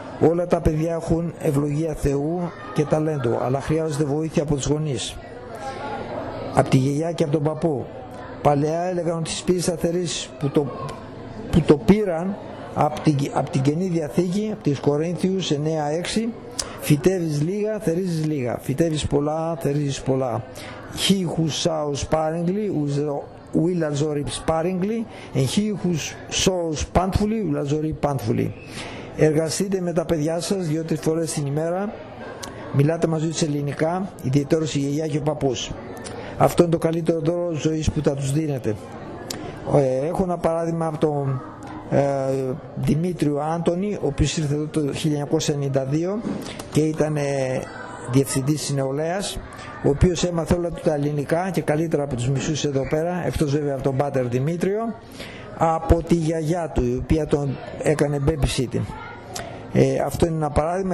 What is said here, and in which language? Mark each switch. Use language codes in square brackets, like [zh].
[el] Όλα τα παιδιά έχουν ευλογία Θεού και ταλέντο, αλλά χρειάζονται βοήθεια από τους γονείς, από τη γιαγιά και από τον παππού. Παλαιά έλεγαν ότι οι σπίτι σταθερείς που το πήραν από την Καινή Διαθήκη, από τις Κορίνθιους 9:6, Φυτεύεις λίγα, θερίζεις λίγα. Φυτεύεις πολλά, θερίζεις πολλά. [en] He who sows sparingly will also reap sparingly, and he who sows plentifully will also reap plentifully. [el] Εργαστείτε με τα παιδιά σας 2-3 φορές την ημέρα. Μιλάτε μαζί τους ελληνικά, ιδιαίτερως η γιαγιά και ο παππούς. Αυτό είναι το καλύτερο δώρο ζωής που θα τους δίνετε. Έχω ένα παράδειγμα από τον Δημήτριο Άντωνη, ο οποίος ήρθε εδώ το 1992 και ήταν διευθυντής νεολαίας, ο οποίος έμαθε όλα τα ελληνικά και καλύτερα από τους μισούς εδώ πέρα, εκτός βέβαια από τον πάτερ Δημήτριο, από τη γιαγιά του, η οποία τον έκανε babysitting. Αυτό είναι ένα παράδειγμα.